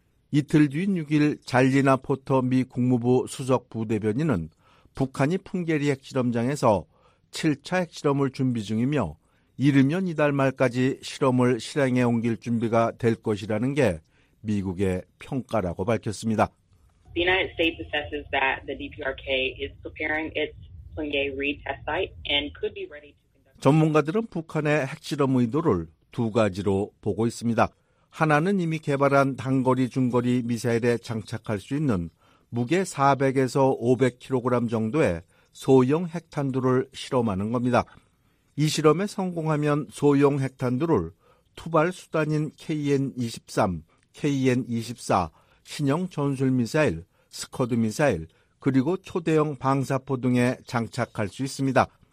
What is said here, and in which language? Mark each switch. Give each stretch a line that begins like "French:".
Korean: 이틀 뒤인 6일 잘리나 포터 미 국무부 수석 부대변인은 북한이 풍계리 핵실험장에서 7차 핵실험을 준비 중이며 이르면 이달 말까지 실험을 실행해 옮길 준비가 될 것이라는 게 미국의 평가라고 밝혔습니다.
English: The United States assesses that the DPRK is preparing its Pyongyang retest site and could be ready to conduct.
Korean: 전문가들은 북한의 핵실험 의도를 두 가지로 보고 있습니다. 하나는 이미 개발한 단거리 중거리 미사일에 장착할 수 있는 무게 400에서 500kg 정도의 소형 핵탄두를 실험하는 겁니다. 이 실험에 성공하면 소형 핵탄두를 투발 수단인 KN-23, KN-24, 신형 전술미사일, 스커드미사일, 그리고 초대형 방사포 등에 장착할 수 있습니다.